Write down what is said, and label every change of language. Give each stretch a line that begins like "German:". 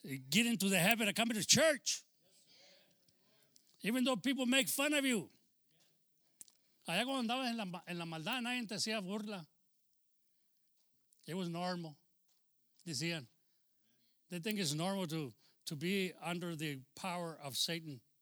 English: Get into the habit of coming to church. Even though people make fun of you.
Spanish: Allá cuando andabas en la maldad, nadie te hacía burla.
English: It was normal. Decían. They think it's normal to be under the power of Satan.